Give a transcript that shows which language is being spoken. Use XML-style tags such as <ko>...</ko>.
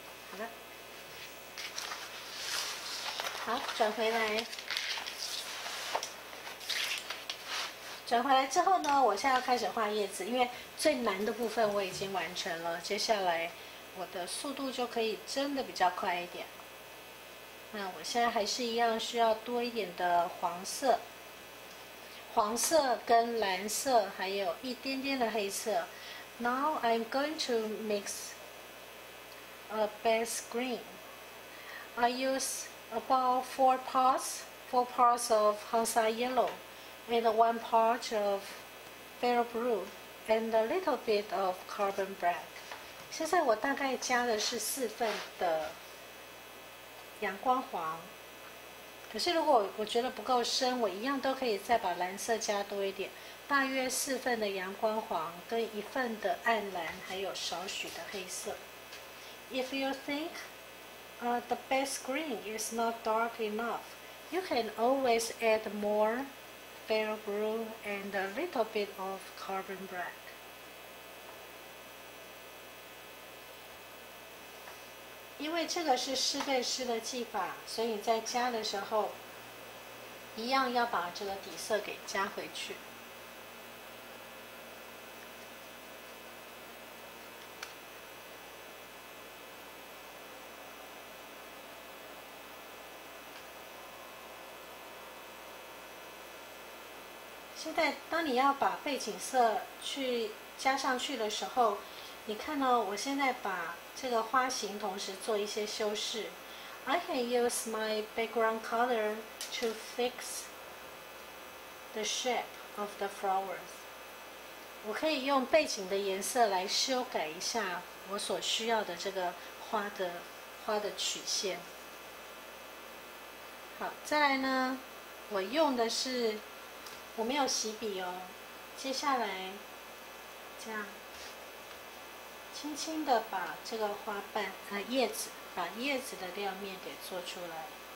<zh>好了，好，转回来，转回来之后呢，我现在要开始画叶子，因为最难的部分我已经完成了，接下来我的速度就可以真的比较快一点。那我现在还是一样需要多一点的黄色，黄色跟蓝色，还有一点点的黑色。</zh> <en>Now I'm going to mix a base green. I use about four parts of Hansa yellow, and one part of pale blue, and a little bit of carbon black.</en> <zh>现在我大概加的是四份的阳光黄，可是如果我觉得不够深，我一样都可以再把蓝色加多一点，大约四份的阳光黄跟一份的暗蓝，还有少许的黑色。</zh> <en>If you think the base green is not dark enough, you can always add more pale blue and a little bit of carbon black.</en> <zh>因为这个是湿对湿的技法，所以在加的时候一样要把这个底色给加回去。现在当你要把背景色去加上去的时候，你看哦，我现在把这个花型同时做一些修饰。</zh> <en>I can use my background color to fix the shape of the flowers.</en> <zh>我可以用背景的颜色来修改一下我所需要的这个花的曲线。好，再来呢，我用的是，我没有洗笔哦，接下来这样轻轻的把这个花瓣叶子，把叶子的亮面给做出来。</zh>